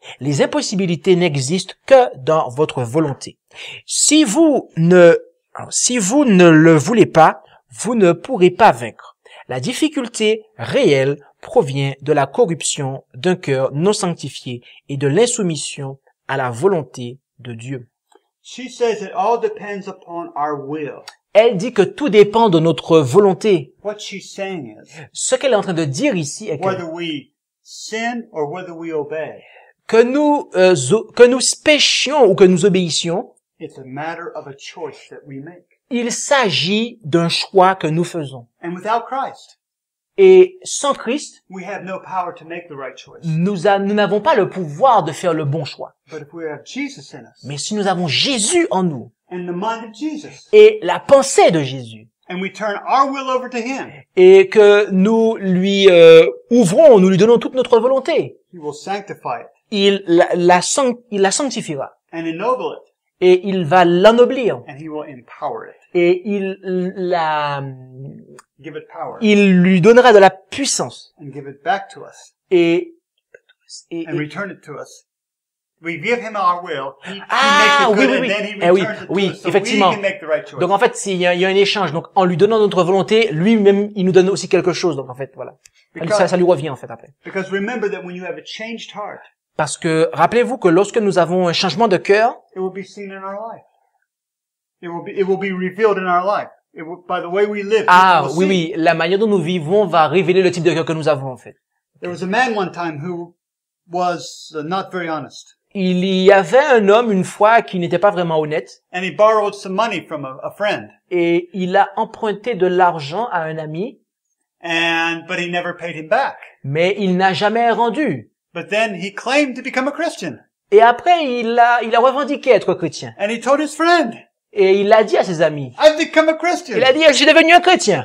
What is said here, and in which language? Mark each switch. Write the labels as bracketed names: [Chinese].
[French] Les impossibilités n'existent que dans votre volonté. Si vous ne le voulez pas, vous ne pourrez pas vaincre. La difficulté réelle provient de la corruption d'un cœur non sanctifié et de l'insoumission à la volonté de Dieu. [English] She says it all depends upon our will. [French] Elle dit que tout dépend de notre volonté. [English] What she's saying is, [French] ce qu'elle est en train de dire ici est que [English] whether we sin or whether we obey. [French] Que nous péchions ou que nous obéissions, [English] it's a matter of a choice that we make. [French] Il s'agit d'un choix que nous faisons. [English] And without Christ, [French] et sans Christ, [English] we have no power to make the right choice. [French] Nous n'avons pas le pouvoir de faire le bon choix. [English] But if we have Jesus in us, [French] mais si nous avons Jésus en nous [English] and the mind of Jesus, [French] et la pensée de Jésus, [English] and we turn our will over to him, [French] et que nous lui ouvrons, nous lui donnons toute notre volonté, [English] he will sanctify it. [French] Il la sanctifiera. [English] And ennoble it. [French] Et il va l'ennoblir. [English] And he will empower it. [French] Et il la... [English] Give it power. [French] Il lui donnera de la puissance. [English] And give it back to us. [French] Et [English] and return it to us. We give him our will. He makes it good, and then he returns it to us. [French] Effectivement. [English] So we can make the right choice. [French] Donc en fait, il y a un échange. Donc en lui donnant notre volonté, lui-même, il nous donne aussi quelque chose. Donc en fait, voilà. Ça lui revient en fait après. [English] Because remember that when you have a changed heart. [French] Parce que rappelez-vous que lorsque nous avons un changement de cœur, [English] it will be seen in our life. It will be revealed in our life. By the way we live. [French] Ah oui oui, la manière dont nous vivons va révéler le type de cœur que nous avons en fait. [English] There was a man one time who was not very honest. [French] Il y avait un homme une fois qui n'était pas vraiment honnête. [English] And he borrowed some money from a friend. [French] Et il a emprunté de l'argent à un ami. [English] But he never paid him back. [French] Mais il n'a jamais rendu. [English] But then he claimed to become a Christian. [French] Et après il a revendiqué être chrétien. [English] And he told his friend. [French] Et il l'a dit à ses amis. [English] I've become a Christian. [French] Il a dit, je suis devenu un chrétien.